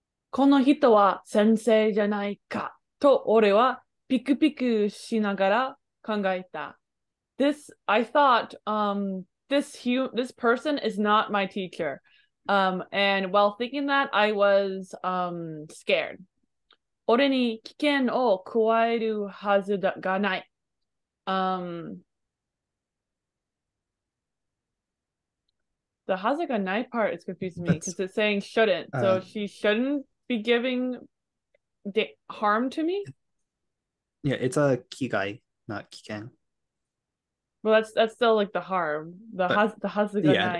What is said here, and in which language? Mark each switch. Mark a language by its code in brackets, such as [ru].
[ja] この人は先生じゃないかと俺はピクピクしながら考えた。 [en] This, I thought, this person is not my teacher. And while thinking that, I was scared. [ja] 俺に危険を加えるはずがない。 [en] The hazard ga nai part is confusing me because it's saying shouldn't. So she shouldn't be giving harm to me? Yeah, it's a kigai, not kiken. Well, that's still like the harm. The hazard ga nai.